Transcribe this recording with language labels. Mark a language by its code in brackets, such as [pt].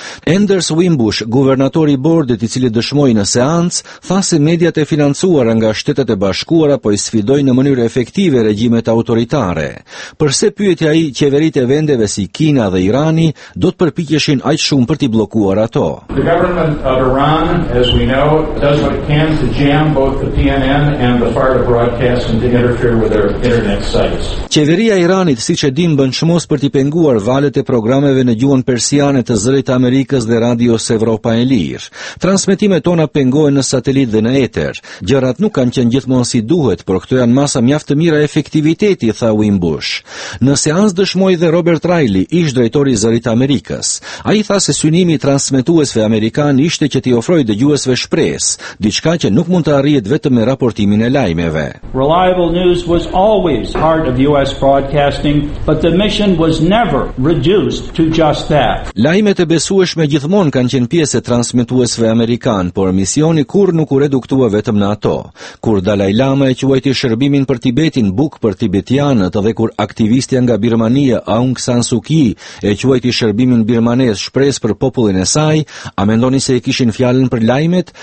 [sq] Anders Wimbush, guvernatori i bordit i cili dëshmoi në seancë, tha se mediat e financuara nga Shtetet e Bashkuara po i sfidojnë në mënyrë efektive regjimet autoritare. Përse pyetja ai qeveritë e vendeve si Kina dhe Irani do të përpiqeshin aq shumë për t'i bllokuar ato. [en] The government of Iran, as we know, does what it can to jam both the PNN and the fire to broadcast and to interfere with their internet sites. [sq] Qeveria e Iranit, siç e dim, bën çmos për t'i penguar valët e programeve në gjuhën persiane të Zërit të Amerikës dhe radios Evropa e Lirë. Transmetimet tona pengohen në satelit dhe në eter. Gjërat nuk kanë qenë gjithmonë si duhet, por këto janë masa mjaft të mira efektiviteti, tha Wimbush. Në seancë dëshmoi dhe Robert Riley, ish drejtori i Zërit të Amerikës. Ai tha se synimi i transmetuesve amerikan ishte që t'i ofrojë dëgjuesve shpresë, diçka që nuk mund të arrihet vetëm me raportimin e lajmeve. [en] Reliable news was always part of US broadcasting, but the mission was never reduced to just that. [sq] Lajmet e besueshme gjithmonë kanë qenë pjesë e transmetuesve amerikan, por misioni kurrë nuk u reduktua vetëm në ato. Kur Dalai Lama e quajti shërbimin për Tibetin buk për tibetianët dhe kur aktivistja nga Birmania Aung San Suu Kyi e quajti shërbimin birmanez shpresë për popullin e saj, a mendoni se e kishin fjalën për lajmet?